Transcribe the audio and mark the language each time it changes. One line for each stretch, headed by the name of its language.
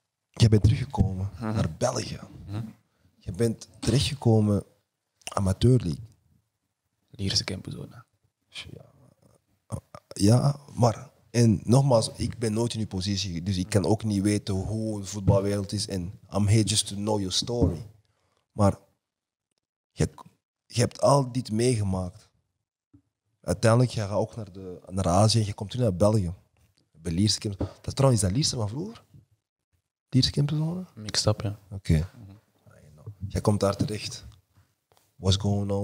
Dutch: Je bent teruggekomen naar België. Je bent terechtgekomen
English: amateur league.
Dutch: Lierse Kempenzone. Ja, maar... En nogmaals, ik ben nooit in uw positie, dus ik kan ook niet weten hoe de voetbalwereld is.
English: En I'm here just to know your story.
Dutch: Maar je hebt al dit meegemaakt. Uiteindelijk, je gaat ook naar Azië en je komt nu naar België. Bij Lierse Kempenzone. Dat is trouwens dat Lierse van vroeger? Lierse Kempenzone?
English: Mixed up, ja.
Dutch: Oké. Okay. Jij komt daar terecht.
English: What's going on?